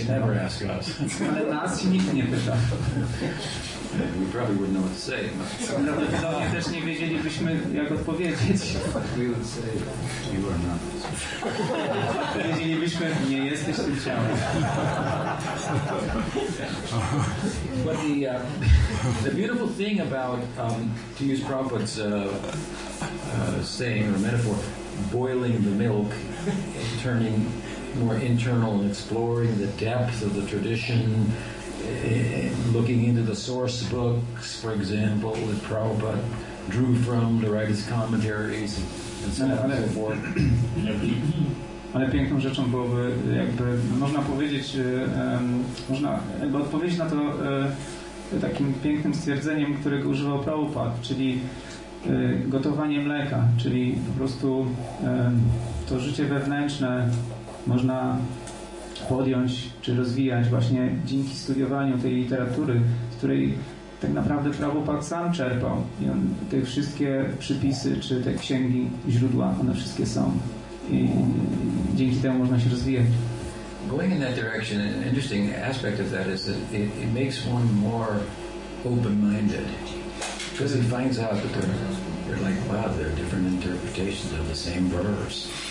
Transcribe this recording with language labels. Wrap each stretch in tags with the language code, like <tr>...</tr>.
<pl>temat.</pl> <en>They never ask us.</en> <pl>Ale nas nikt nie pyta.</pl> <en>We probably wouldn't know what to say.</en> <pl>Prawdopodobnie też nie wiedzielibyśmy, jak odpowiedzieć.</pl> <en>We would say, you are not.</en> <pl>Wiedzielibyśmy, nie jesteś tym ciałem.</pl> <en>But the beautiful thing about, to use Prabhupada's saying or metaphor, boiling the milk, turning more internal and exploring the depth of the tradition, looking into the source books, for example, that Prabhupada drew from to write his commentaries, and so on and so forth.</en> <pl>Ale piękną rzeczą byłoby, jakby można powiedzieć, można jakby odpowiedzieć na to takim pięknym stwierdzeniem, którego używał Prabhupada, czyli gotowanie mleka, czyli po prostu to życie wewnętrzne można podjąć czy rozwijać właśnie dzięki studiowaniu tej literatury, z której tak naprawdę Prabhupada sam czerpał. I on, te wszystkie przypisy czy te księgi, źródła, one wszystkie są. I dzięki temu można się rozwijać.</pl> <en>Going in that direction, an interesting aspect of that is that it makes one more open-minded. Because it finds out that they're like, wow, there are different interpretations of the same verse.</en>